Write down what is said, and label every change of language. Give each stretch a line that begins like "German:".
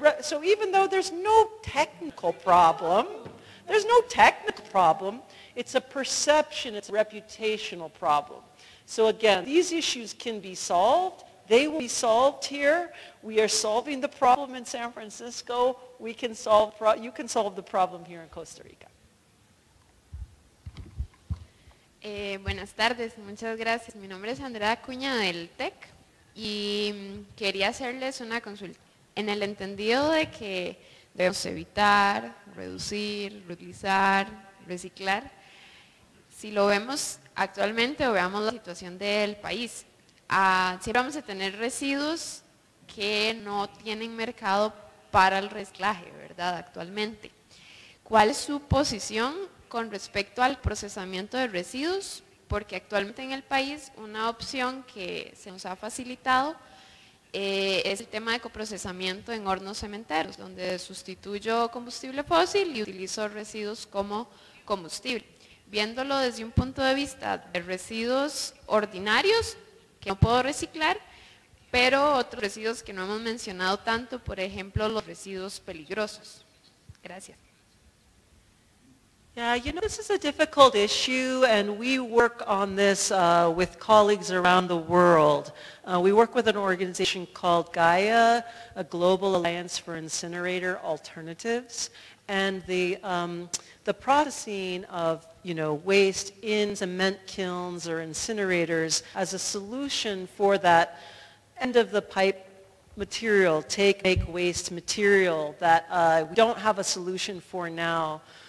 English: So even though there's no technical problem, it's a perception, it's a reputational problem. So again, these issues can be solved. They will be solved here. We are solving the problem in San Francisco. We can solve. You can solve the problem here in Costa Rica.
Spanish: Buenas tardes. Muchas gracias. Mi nombre es Andrea Acuña del TEC y quería hacerles una consulta. En el entendido de que debemos evitar, reducir, reutilizar, reciclar, si lo vemos actualmente, o veamos la situación del país, siempre vamos a tener residuos que no tienen mercado para el reciclaje, ¿verdad?, actualmente. ¿Cuál es su posición con respecto al procesamiento de residuos? Porque actualmente en el país una opción que se nos ha facilitado es el tema de coprocesamiento en hornos cementeros, donde sustituyo combustible fósil y utilizo residuos como combustible. viéndolo desde un punto de vista de residuos ordinarios que no puedo reciclar, pero otros residuos que no hemos mencionado tanto, por ejemplo, los residuos peligrosos. Gracias.
English: Yeah, you know, this is a difficult issue, and we work on this with colleagues around the world. We work with an organization called GAIA, a Global Alliance for Incinerator Alternatives, and the processing of, you know, waste in cement kilns or incinerators as a solution for that end of the pipe material, take waste material that we don't have a solution for now.